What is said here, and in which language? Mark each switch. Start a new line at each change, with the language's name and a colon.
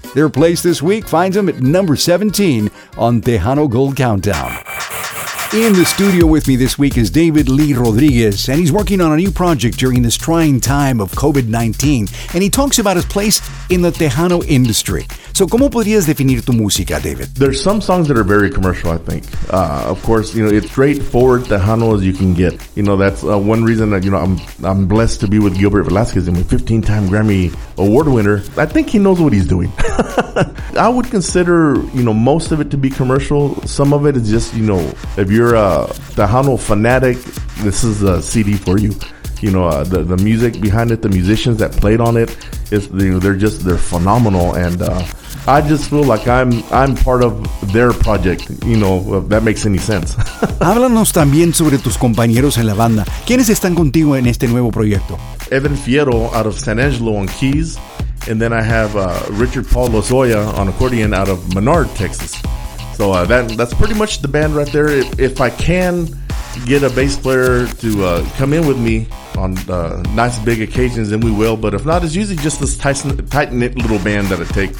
English: Their place this week finds them at number 17 on Tejano Gold Countdown. In the studio with me this week is David Lee Rodriguez, and he's working on a new project during this trying time of COVID-19, and he talks about his place in the Tejano industry.
Spanish: So, ¿cómo podrías definir tu música, David?
English: There's some songs that are very commercial, I think. Of course, you know, it's straightforward Tejano as you can get. You know, that's one reason that, you know, I'm blessed to be with Gilbert Velasquez. I mean, 15-time Grammy Award winner. I think he knows what he's doing. I would consider, you know, most of it to be commercial. Some of it is just, you know, if you're a Tejano fanatic, this is a CD for you. You know, the music behind it, the musicians that played on it, they're phenomenal. And I just feel like I'm part of their project, you know, if that makes any sense.
Spanish: Háblanos también sobre tus compañeros en la banda. ¿Quiénes están contigo en este nuevo proyecto?
English: Evan Fierro out of San Angelo on keys. And then I have Richard Paul Lozoya on accordion out of Menard, Texas. So that's pretty much the band right there. If I can get a bass player to come in with me on nice big occasions, then we will. But if not, it's usually just this tight-knit little band that it takes.